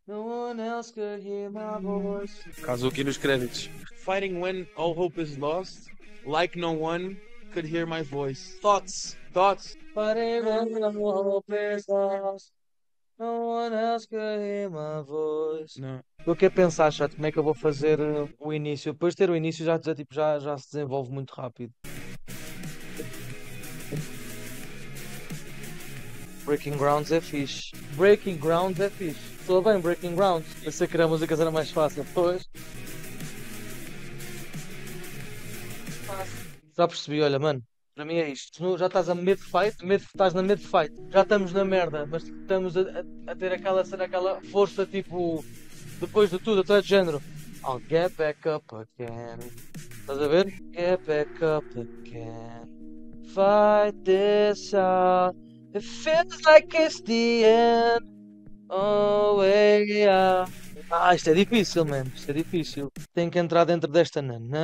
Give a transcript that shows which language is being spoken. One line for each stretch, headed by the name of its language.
English: No one else could hear my voice.
Portuguese: Kazuki nos créditos.
English: Fighting when all hope is lost, like no one could hear my voice. Thoughts. Fighting when all hope is lost. No one else could hear my voice.
Portuguese: Não. O que é pensar, chato? Como é que eu vou fazer o início? Depois de ter o início, já se desenvolve muito rápido. Breaking Grounds é fixe. Breaking Grounds é fixe. Estou bem, Breaking Grounds. Pensei que a música era mais fácil. Pois. Já percebi, olha, mano. Para mim é isto, tu já estás a mid-fight, estás na mid-fight, já estamos na merda, mas estamos a ter aquela força, tipo, depois de tudo, até de género.
English: I'll get back up again,
Portuguese: estás a ver?
English: Get back up again, fight this out, it feels like it's the end, oh yeah.
Portuguese: Ah, isto é difícil, man, isto é difícil. Tenho que entrar dentro desta na.